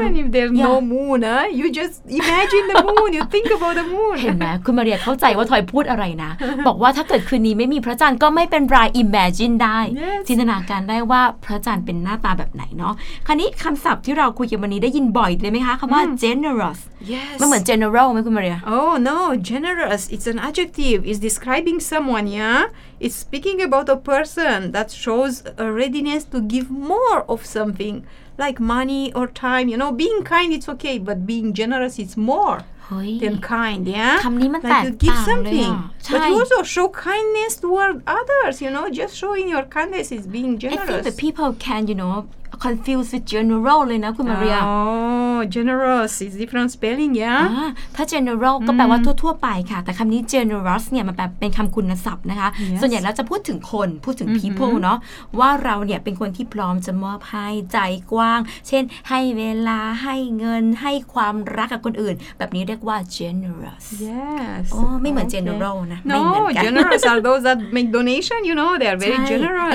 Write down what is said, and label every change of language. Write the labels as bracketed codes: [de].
[en] Even if there's no moon you just imagine the moon you think about the moon [th] เห็นไหมคุณมาเรียเข้าใจว่าทอยพูดอะไรนะบอกว่าถ้าเกิดคืนนี้ไม่มีพระจันทร์ก็ไม่เป็นไร imagine ได้จินตนาการได้ว่าพระจันทร์เป็นหน้าตาแบบไหนเนาะคันนี้คำศัพท์ที่เราคุยกันวันนี้ได้ยินบ่อยเลยไหมคะคำว่า generous [en] yes [th] มันเหมือน general ไหมคุณมาเรีย [en] oh no generous it's an adjective is describing someone yeah it's speaking about a person that shows a readiness to give more of somethingLike money or time, you know, being kind it's okay, but being generous it's more than kind, yeah? [th] คำนี้มันแตกต่างเลยอ่ะใช่ [en] But you also show kindness toward others, you know, just showing your kindness is being generous. I think the people can, you know, confuse with general, [th] เลยนะคุณมาเรีย [en] โอ generous is different spelling, yeah? [th] ถ้า general ก็แปลว่าทั่วๆไปค่ะแต่คำนี้ generous เนี่ยมันแบบเป็นคำคุณศัพท์นะคะ [en] yes. [th] ส่วนใหญ่เราจะพูดถึงคนพูดถึง people เนาะว่าเราเนี่ยเป็นคนที่พร้อมจะมอบให้ใจกว้างเช่นให้เวลาให้เงินให้ความรักกับคนอื่นแบบนี้เรียกว่า generous [en] yes [th] oh ไม่เหมือน general นะ [en] no generous are those that make donation you know they are very generous